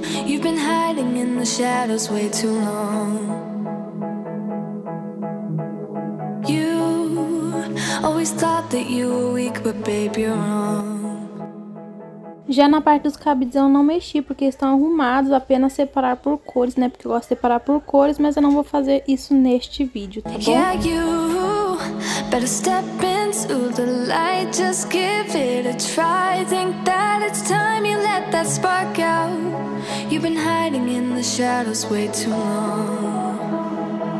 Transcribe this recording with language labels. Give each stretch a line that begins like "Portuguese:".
English: You've been hiding in the shadows way too long. You always thought that you were weak, but baby, you're wrong.
Portuguese: Já na parte dos cabides eu não mexi, porque estão arrumados, apenas separar por cores, né? Porque eu gosto de separar por cores, mas eu não vou fazer isso neste vídeo, tá bom?
English: Yeah, you better step into the light, just give it a try. Think that it's time you let that spark out. You've been hiding in the shadows way too long.